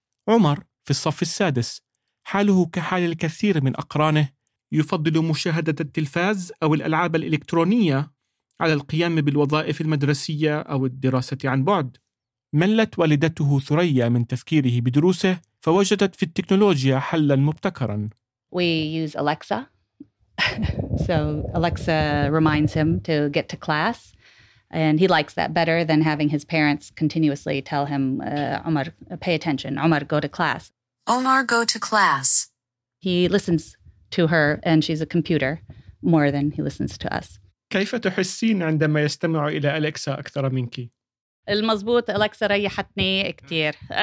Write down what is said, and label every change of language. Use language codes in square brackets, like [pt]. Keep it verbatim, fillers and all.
[ar] عمر في الصف السادس، حاله كحال الكثير من أقرانه، يفضل مشاهدة التلفاز أو الألعاب الإلكترونية على القيام بالوظائف المدرسية أو الدراسة عن بعد. ملت والدته ثريا من تفكيره بدروسه، فوجدت في التكنولوجيا حلاً مبتكراً. [en] We use Alexa. So Alexa reminds him to get to class. And he likes that better than having his parents continuously tell him, uh, Omar, pay attention. Omar, go to class. Omar, go to class. He listens to her, and she's a computer, more than he listens to us. [ar] كيف تحسين عندما يستمع إلى أليكسا أكثر منك؟ المضبوط، أليكسا ريحتني كتير.